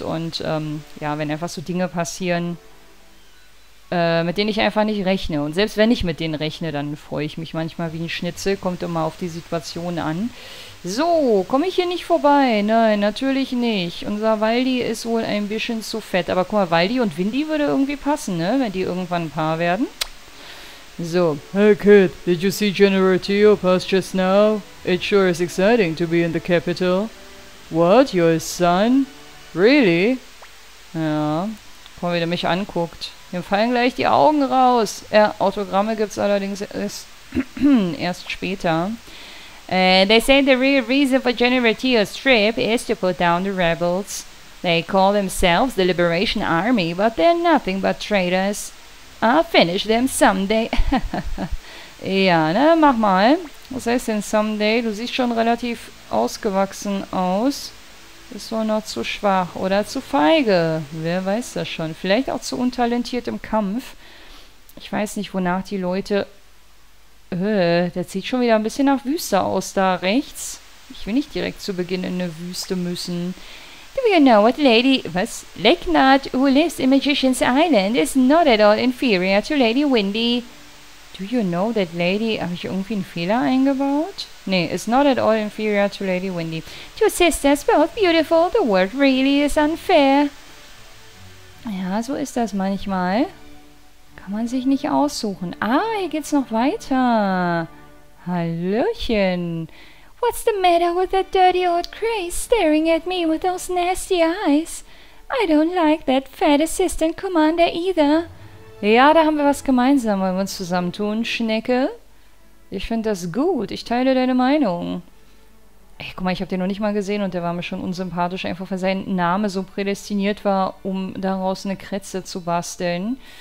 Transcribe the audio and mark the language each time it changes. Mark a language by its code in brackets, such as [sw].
[de] Und ja, wenn einfach so Dinge passieren, mit denen ich einfach nicht rechne. Und selbst wenn ich mit denen rechne, dann freue ich mich manchmal wie ein Schnitzel. Kommt immer auf die Situation an. So, komme ich hier nicht vorbei? Nein, natürlich nicht. Unser Valdi ist wohl ein bisschen zu fett. Aber guck mal, Valdi und Windy würde irgendwie passen, ne? Wenn die irgendwann ein Paar werden. So. [en] Hey Kid, did you see General Tio pass just now? It sure is exciting to be in the capital. What, your son? Really? [de] Ja. Boah, wie der mich anguckt. Mir fallen gleich die Augen raus. Autogramme gibt's allerdings erst später. [en] They say the real reason for General Teal's trip is to put down the rebels. They call themselves the Liberation Army, but they're nothing but traitors. I'll finish them someday. [de] Ja, ne, mach mal. Was heißt denn someday? Du siehst schon relativ ausgewachsen aus. Ist wohl noch zu schwach oder zu feige. Wer weiß das schon. Vielleicht auch zu untalentiert im Kampf. Ich weiß nicht, wonach die Leute... Das sieht schon wieder ein bisschen nach Wüste aus da rechts. Ich will nicht direkt zu Beginn in eine Wüste müssen. [en] Do you know what Lady... Was? Lecknut, who lives in Magician's Island, is not at all inferior to Lady Windy. Do you know that Lady... [de] Habe ich irgendwie einen Fehler eingebaut? [en] Nee, is not at all inferior to Lady Windy. Two sisters, both beautiful. The world really is unfair. [de] Ja, so ist das manchmal. Kann man sich nicht aussuchen. Ah, hier geht's noch weiter. Hallöchen. [en] What's the matter with that dirty old Grace staring at me with those nasty eyes? I don't like that fat assistant commander either. [de] Ja, da haben wir was gemeinsam, wollen wir uns zusammentun, Schnecke. Ich finde das gut, ich teile deine Meinung. Ey, guck mal, ich habe den noch nicht mal gesehen und der war mir schon unsympathisch, einfach weil sein Name so prädestiniert war, um daraus eine Krätze zu basteln.